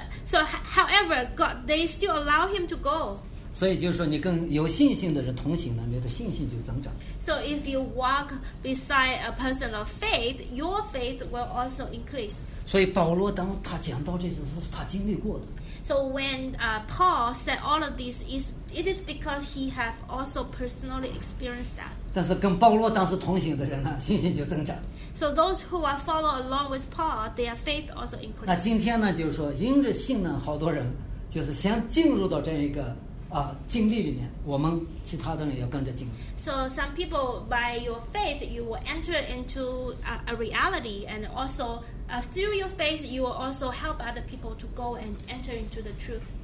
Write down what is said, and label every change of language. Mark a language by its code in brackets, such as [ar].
[en] However, God, they still allow him to go. [zh] 所以就是说，你跟有信心的人同行呢，你的信心就增长。 [en] So if you walk beside a person of faith, your faith will also increase. [zh] 所以保罗当他讲到这些，是他经历过的。 [en] So when Paul said all of this, it is because he have also personally experienced that. [zh] 但是跟保罗当时同行的人呢，信心就增长。 [en] So those who are follow along with Paul, their faith also increases. [zh] 那今天呢，就是说，因着信呢，好多人就是先进入到这样一个经历里面，我们其他的人要跟着进。 [en] So some people by your faith, you will enter into a reality, and also through your faith, you will also help other people to go and enter into the truth.